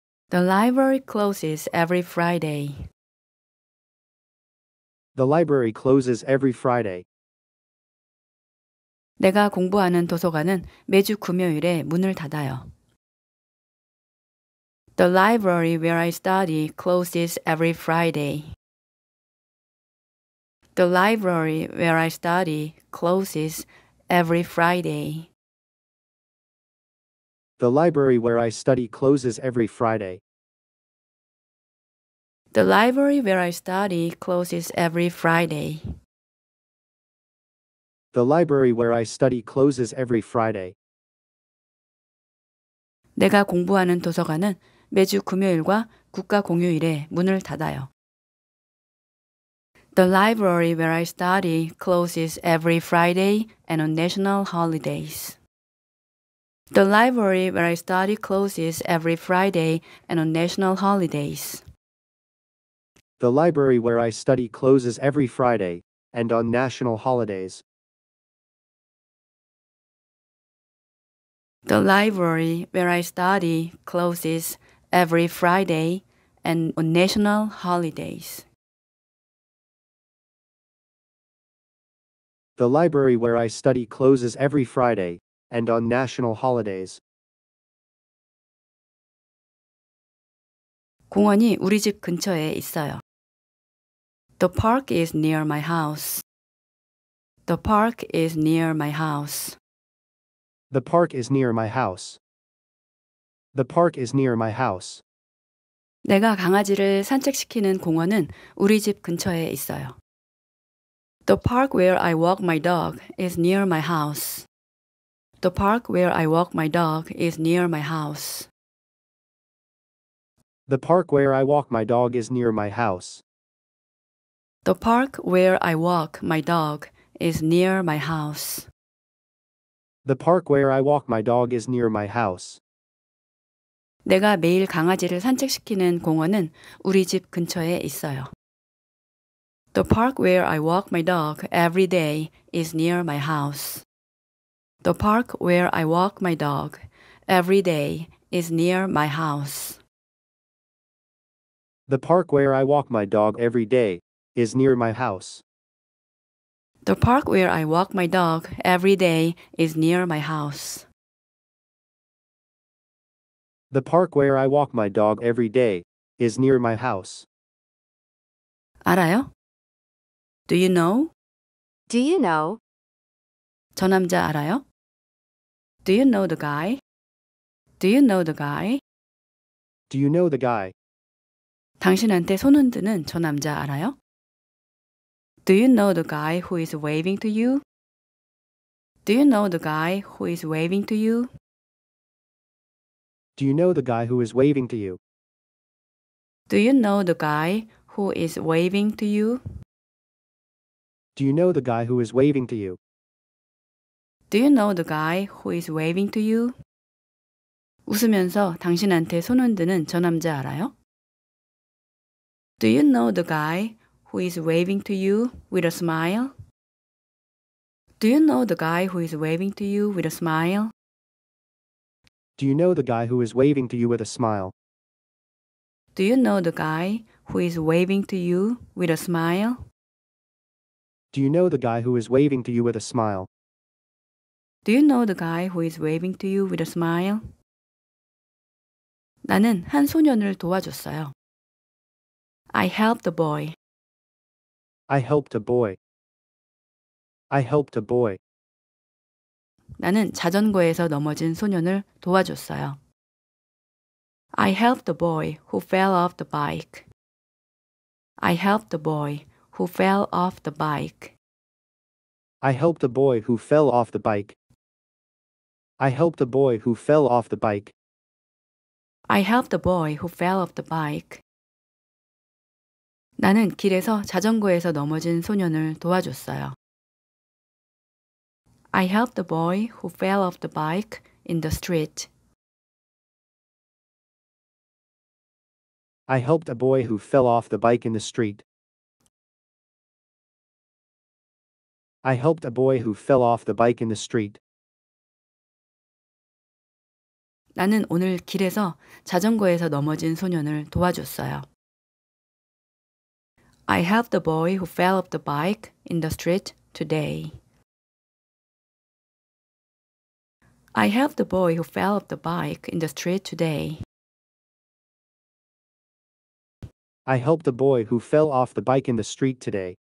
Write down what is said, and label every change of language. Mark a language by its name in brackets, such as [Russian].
[English] The library closes every Friday. The library closes every Friday. [Korean] 내가 공부하는 도서관은 매주 금요일에 문을 닫아요. [English] The library where I study closes every Friday. The library where I study closes every Friday. The library where I study closes every Friday. The library where I study closes every Friday. The library where I study closes every Friday. [Korean] 내가 공부하는 도서관은 매주 금요일과 국가 공휴일에 문을 닫아요. [English] The library where I study closes every Friday and on national holidays. The library where I study closes every Friday and on national holidays. The library where I study closes every Friday and on national holidays. The library where I study closes every Friday and on national holidays. The library where I study closes every Friday and on national holidays. [Korean] 공원이 우리 집 근처에 있어요. [English] The park is near my house. The park is near my house. The park is near my house. The park is near my house. [Korean] 내가 강아지를 산책시키는 공원은 우리 집 근처에 있어요. [English] The park where I walk my dog is near my house. The park where I walk my dog is near my house. The park where I walk my dog is near my house. The park where I walk my dog is near my house. The park where I walk my dog is near my house. [Korean] 내가 매일 강아지를 산책시키는 공원은 우리 집 근처에 있어요. [English] The park where I walk my dog every day is near my house. The park where I walk my dog every day is near my house. The park where I walk my dog every day is near my house. The park where I walk my dog every day is near my house. The park where I walk my dog every day is near my house. [Korean] 알아요? [English] Do you know? Do you know? [Korean] 저 남자 알아요? [English] Do you know the guy? Do you know the guy? Do you know the guy? [Korean] 당신한테 손 흔드는 저 남자 알아요? [English] Do you know the guy who is waving to you? Do you know the guy who is waving to you? Do you know the guy who is waving to you? Do you know the guy who is waving to you? Do you know the guy who is waving to you? Do you know the guy who is waving to you? [Korean] 웃으면서 당신한테 손 흔드는 저 남자 알아요? [English] Do you know the guy who is waving to you with a smile? Do you know the guy who is waving to you with a smile? Do you know the guy who is waving to you with a smile? Do you know the guy who is waving to you with a smile? Do you know the guy who is waving to you with a smile? Do you know the guy who is waving to you with a smile? [Korean] 나는 한 소년을 도와줬어요. [English] I helped a boy. I helped a boy. I helped a boy. [Korean] 나는 자전거에서 넘어진 소년을 도와줬어요. [English] I helped a boy who fell off the bike. I helped a boy who fell off the bike. I helped a boy who fell off the bike. I helped a boy who fell off the bike. I helped a boy who fell off the bike. [Korean] 나는 길에서 자전거에서 넘어진 소년을 도와줬어요. [English] I helped a boy who fell off the bike in the street. I helped a boy who fell off the bike in the street. I helped a boy who fell off the bike in the street. [Korean] 나는 오늘 길에서 자전거에서 넘어진 소년을 도와줬어요. [English] I helped a boy who fell off the bike in the street today. I helped a boy who fell off the bike in the street today. I helped a boy who fell off the bike in the street today.